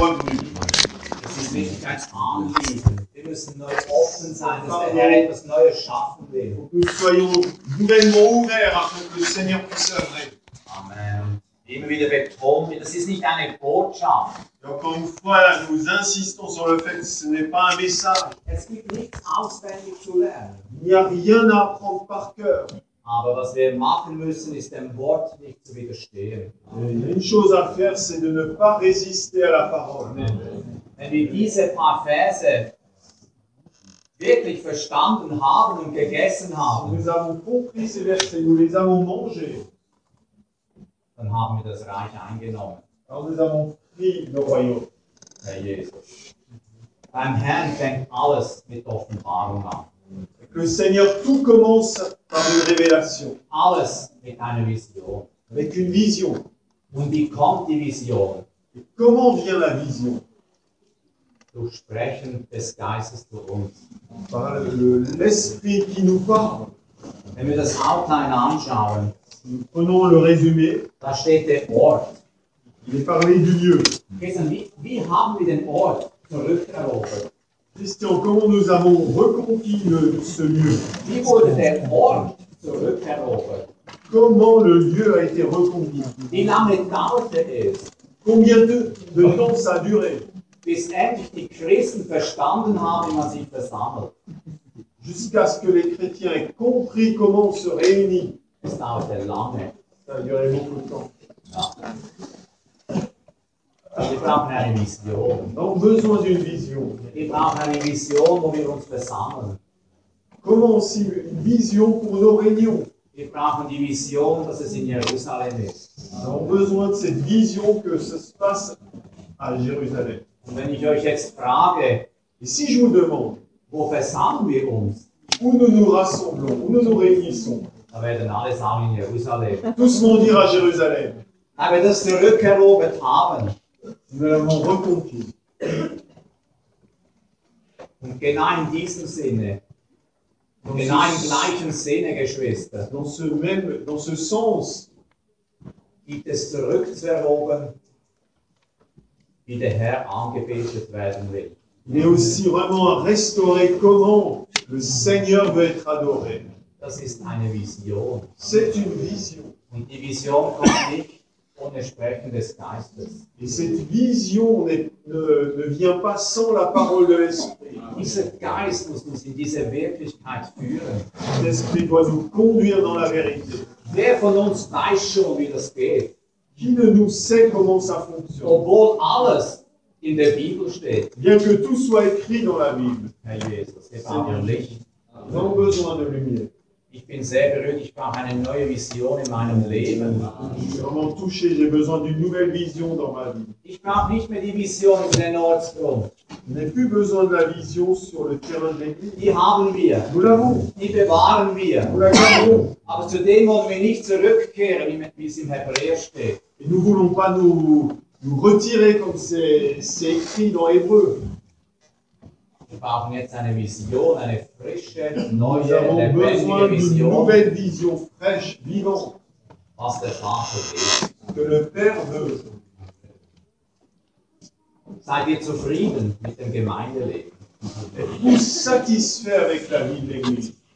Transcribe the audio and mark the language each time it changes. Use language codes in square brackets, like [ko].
[de] Das ist nicht ganz angenehm. Wir müssen neu offen sein, dass der Herr etwas Neues schaffen will. Und [fr] nous soyons nouvellement ouverts afin que le Seigneur puisse œuvrer. Amen. [de] Immer wieder betonen, das ist nicht eine Botschaft. [fr] Et encore une fois, là, nous insistons sur le fait que ce n'est pas un message. [de] Es gibt nichts auswendig zu lernen. [fr] Il n'y a rien à apprendre par cœur. [de] Aber was wir machen müssen, ist dem Wort nicht zu widerstehen. [fr] Et une chose à faire, c'est de ne pas résister à la parole. Amen. [de] Wenn wir diese paar Verse wirklich verstanden haben und gegessen haben, [fr] nous avons compris ces versets, nous les avons mangés, [de] dann haben wir das Reich eingenommen. [fr] Alors nous avons pris le royaume. [de] Herr Jesus. Beim Herrn fängt alles mit Offenbarung an. [fr] Le Seigneur, tout commence par une révélation. [de] Alles mit einer Vision. [fr] Avec une vision. [de] Und wie kommt die Vision? [fr] Et comment vient la vision? [de] Durch Sprechen des Geistes zu uns. [fr] Par l'Esprit qui nous parle. [de] Wenn wir das Outline anschauen, [fr] nous prenons le résumé. [de] Da steht der Ort. [fr] Il est parlé du lieu. [de] Christian, wie haben wir den Ort zurückerobert? [fr] Christian, comment nous avons reconquis ce lieu? [de] Wie wurde der Ort zurückerobert? [fr] Comment le lieu a été reconquis? [de] Wie lange dauerte es? [fr] Combien de temps ça a duré? [de] Bis endlich die Christen verstanden haben, wie man sich versammelt. [fr] Jusqu'à ce que les chrétiens aient compris comment on se réunit. [de] Es dauerte lange. [fr] Ça a duré beaucoup de temps. [de] Ja. Wir brauchen eine Vision. [fr] Nous avons besoin d'une vision. [de] Wir brauchen eine Vision, wo wir uns versammeln. [fr] Comment aussi une vision pour nos réunions? [de] Wir brauchen die Vision, dass es in Jérusalem ist. [fr] Nous avons besoin de cette vision que ça se passe à Jérusalem. [de] Und wenn ich euch jetzt frage, [fr] et si je vous demande, [de] wo versammeln wir uns? [fr] Où nous nous rassemblons, où nous nous réunissons? [de] Da werden alle sagen in Jérusalem. [fr] Tous vont dire à Jérusalem. [de] Da wird es zurückerobert haben. [fr] Nous l'avons reconquis. [de] Und genau in diesem Sinne, genau im gleichen Sinne, Geschwister, [fr] dans ce sens, [de] gibt es zurückzuerobern, wie der Herr angebetet werden will. [fr] Mais aussi vraiment à restaurer comment le Seigneur veut être adoré. [de] Das ist eine Vision. [fr] C'est une vision. [de] Und die Vision kommt nicht ohne Sprechen des Geistes. [fr] Et cette vision ne vient pas sans la parole de l'Esprit. [de] Dieser Geist muss uns in diese Wirklichkeit führen. [fr] L'Esprit doit nous conduire dans la vérité. [de] Wer von uns weiß schon, wie das geht? [fr] Qui ne nous sait comment ça fonctionne? [de] Obwohl alles in der Bibel steht. [fr] Bien que tout soit écrit dans la Bible. [de] Herr Jesus, wir brauchen Licht. [fr] Nous avons besoin de lumière. [de] Ich bin sehr berührt, ich brauche eine neue Vision in meinem Leben. [fr] Je suis vraiment touché, j'ai besoin d'une nouvelle vision dans ma vie. [de] Ich brauche nicht mehr die Vision in den Ortsgruppen. [fr] Je n'ai plus besoin de la vision sur le terrain de l'église. [de] Die haben wir. [fr] Nous l'avons. [de] Die bewahren wir. [fr] Nous la gardons. [de] Aber zu dem wollen wir nicht zurückkehren, wie es im Hebräer steht. [fr] Et nous ne voulons pas nous retirer comme c'est écrit dans Hébreu. [de] Wir brauchen jetzt eine Vision, eine frische, neue, lebendige Vision. [fr] Nous avons besoin d'une nouvelle vision, fraîche, vivante. [de] Was der Vater will. [fr] Que le Père veut. [de] Seid ihr zufrieden mit dem Gemeindeleben? [fr] Êtes-vous satisfait avec la vie de l'Église?